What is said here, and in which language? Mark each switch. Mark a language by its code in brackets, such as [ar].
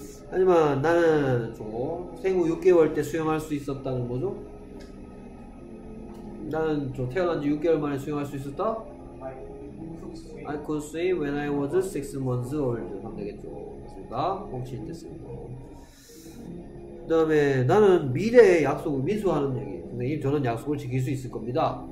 [ko] 하지만 나는 저 생후 6개월 때 수영할 수 있었다는 거죠? 나는 저 태어난 지 6개월 만에 수영할 수 있었다? [en] I could swim when I was 6 months old. [ko] 하면 되겠죠. 맞습니까? 멈칠 때 쓰는 거. 그 다음에 나는 미래의 약속을 미수하는 얘기. 선생님, 저는 약속을 지킬 수 있을 겁니다.